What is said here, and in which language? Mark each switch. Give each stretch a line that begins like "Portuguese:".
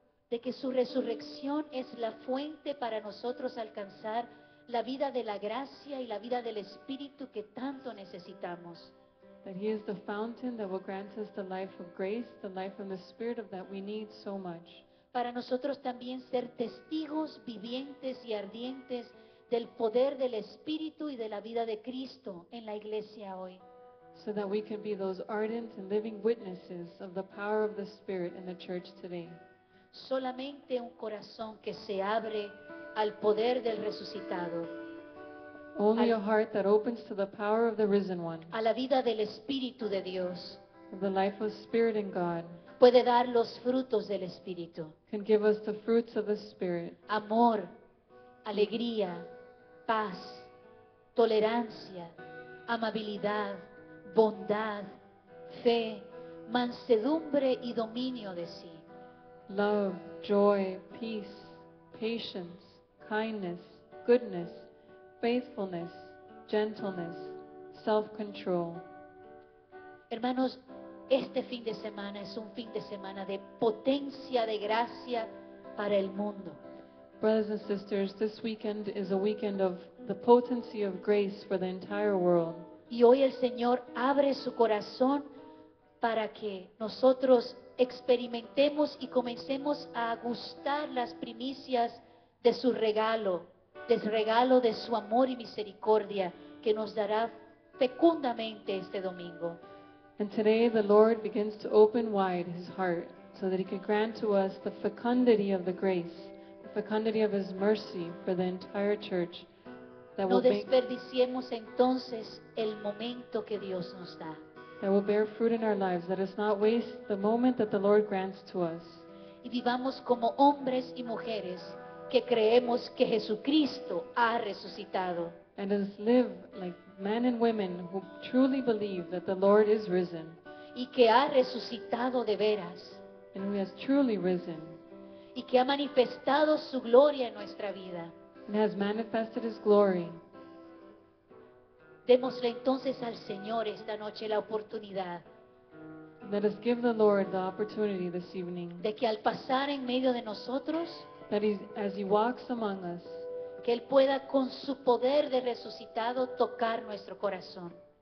Spanish: De que su resurrección es la fuente para nosotros alcanzar la vida de la gracia y la vida del Espíritu que tanto necesitamos.
English: That He is the fountain that will grant us the life of grace, the life of the Spirit of that we need so much.
Spanish: Para nosotros también ser testigos vivientes y ardientes del poder del Espíritu y de la vida de Cristo en la iglesia hoy.
English: So that we can be those ardent and living witnesses of the power of the Spirit in the church today.
Spanish: Solamente un corazón que se abre al poder del resucitado.
English: Only a heart that opens to the power of the risen one.
Spanish: A la vida del Espíritu de Dios.
English: The life of Spirit in God.
Spanish: Puede dar los frutos del Espíritu.
English: Can give us the fruits of the Spirit.
Spanish: Amor, alegría, paz, tolerancia, amabilidad, bondad, fe, mansedumbre y dominio de sí.
English: Love, joy, peace, patience, kindness, goodness, faithfulness, gentleness, self-control.
Spanish: Hermanos, este fin de semana es un fin de semana de potencia de gracia para el mundo.
English: Brothers and sisters, this weekend is a weekend of the potency of grace for the entire world.
Spanish: Y hoy el Señor abre su corazón para que nosotros experimentemos y comencemos a gustar las primicias de su regalo, del regalo de su amor y misericordia que nos dará fecundamente este domingo.
English: And today the Lord begins to open wide His heart so that He can grant to us the fecundity of the grace, the fecundity of His mercy for the entire church.
Spanish: That no desperdiciemos entonces el momento que Dios nos da.
English: That will bear fruit in our lives. Let us not waste the moment that the Lord grants to us.
Spanish: Y vivamos como hombres y mujeres que creemos que Jesucristo ha resucitado.
English: And let us live like men and women who truly believe that the Lord is risen.
Spanish: Y que ha resucitado de veras.
English: And who has truly risen.
Spanish: Y que ha manifestado su gloria en nuestra vida.
English: And has manifested His glory.
Spanish: Démosle entonces al Señor esta noche la oportunidad.
English: Let us give the Lord the opportunity this evening.
Spanish: De que al pasar en medio de nosotros,
English: that as He walks among us,
Spanish: que Él pueda con su poder de resucitado tocar nuestro corazón.